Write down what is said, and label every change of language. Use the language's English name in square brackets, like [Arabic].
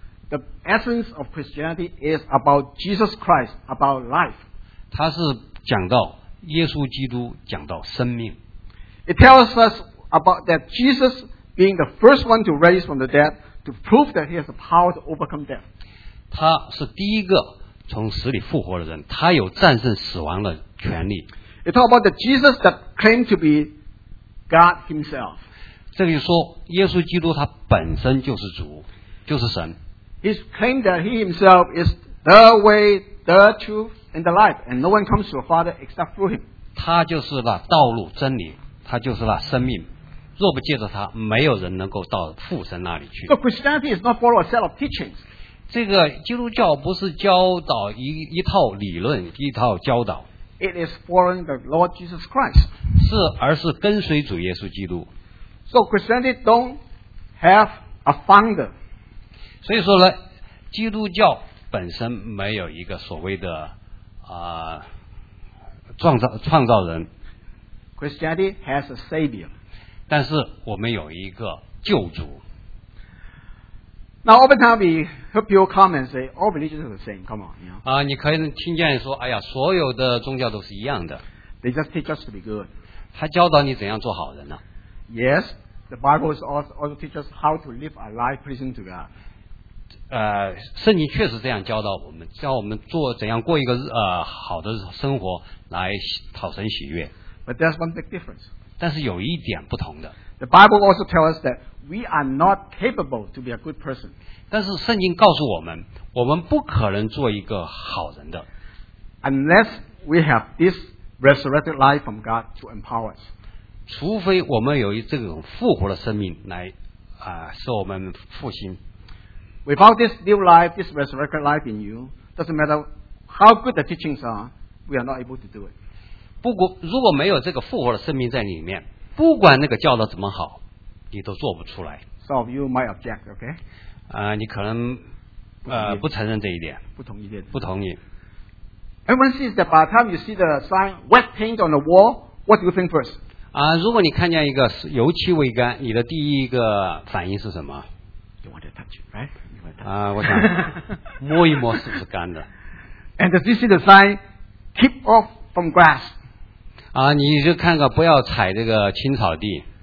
[English] The essence of Christianity is about Jesus Christ, about life. [Chinese] 他是讲到耶稣基督讲到生命。 [English] It tells us,about that Jesus being the first one to raise from the dead to prove that he has the power to overcome death. [Chinese] 他是第一个从死里复活的人，他有战胜死亡的权利。 [English] It talks about the Jesus that claimed to be God himself. [Chinese] 这个就说耶稣基督他本身就是主，就是神。 [English] He's claimed that he himself is the way, the truth, and the life, and no one comes to the Father except through him. [Chinese] 他就是那道路真理，他就是那生命。若不借着他，没有人能够到父神那里去。 [English] So Christianity is not follow a set of teachings. [Chinese] 这个基督教不是教导 一套理论，一套教导。 [English] It is following the Lord Jesus Christ. [Chinese] 是，而是跟随主耶稣基督。 [English] So Christianity don't have a founder. [Chinese] 所以说呢，基督教本身没有一个所谓的创造人。 [English] Christianity has a savior. [Chinese] 但是我们有一个救主。 [English] Now, often time we hear people come and say, all religions are the same, come on. [Chinese] 你可以听见说，哎呀，所有的宗教都是一样的。 [English] They just teach us to be good. [Chinese] 还教导你怎样做好人呢？ [English] Yes, the Bible also teaches us how to live a life pleasing to God. [Chinese] 圣经确实这样教导我们，教我们做怎样过一个好的生活来讨神喜悦。 [English] But there's one big difference. [Chinese] 但是有一点不同的。 [English] The Bible also tells us that we are not capable to be a good person. [Chinese] 但是圣经告诉我们，我们不可能做一个好人的。 [English] Unless we have this resurrected life from God to empower us. [Chinese] 除非我们有这种复活的生命来使我们复兴。 [English] Without this new life, this resurrected life in you, doesn't matter how good the teachings are, we are not able to do it. [Chinese] 不过如果没有这个复活的生命在里面，不管那个教导怎么好，你都做不出来。 [English] Some of you might object, okay? [Chinese] 你可能不承认这一点。不同意的。不同意。 [English] Everyone sees that by the time you see the sign wet paint on the wall, what do you think first? [Chinese] 如果你看见一个油漆未干，你的第一个反应是什么？ [English] You want to touch it, right? [Chinese] 我想摸一摸是不是干的。 [English] And does you see the sign keep off from grass? [Chinese] 你就看看不要踩这个青草地。